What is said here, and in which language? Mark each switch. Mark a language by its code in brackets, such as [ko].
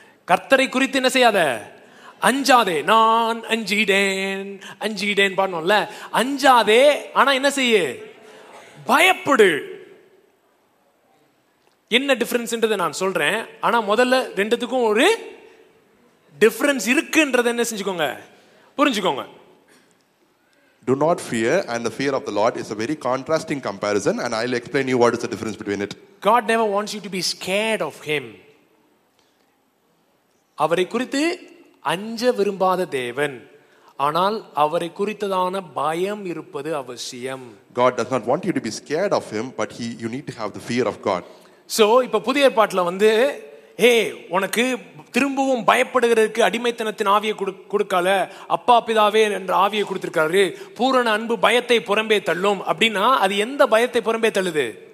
[ta] கர்த்தரை குறித்து என்ன செய்யாத, அஞ்சாதே. நான் அஞ்சிடேன் பாடணும்ல, அஞ்சாதே, ஆனா என்ன செய்ய, பயப்படு. என்ன டிஃபரன்ஸ்ன்றதை நான் சொல்றேன். ஆனா முதல்ல ரெண்டுத்துக்கும் ஒரு டிஃபரன்ஸ் இருக்குன்றதை என்ன செஞ்சுக்கோங்க, புரிஞ்சுக்கோங்க. [en] Do not fear and the fear of the Lord is a very contrasting comparison and I'll explain you what is the difference between it. God never wants you to be scared of him. [ta] அவரை குறித்து அஞ்ச விரும்பாத தேவன், ஆனால் அவரை குறித்ததான பயம் இருப்பது அவசியம். [en] God does not want you to be scared of him, but he you need to have the fear of God. [ta] So இப்ப புதிய ஏற்பாட்டுல வந்து உனக்கு திரும்பவும் பயப்படுகிறதுக்கு அடிமைத்தனத்தின் ஆவியை கொடுக்கல, அப்பா பிதாவே என்ற ஆவியை கொடுத்திருக்காரு. பூரண அன்பு பயத்தை புறம்பே தள்ளும் அப்படின்னா அது எந்த பயத்தை புறம்பே தள்ளுது?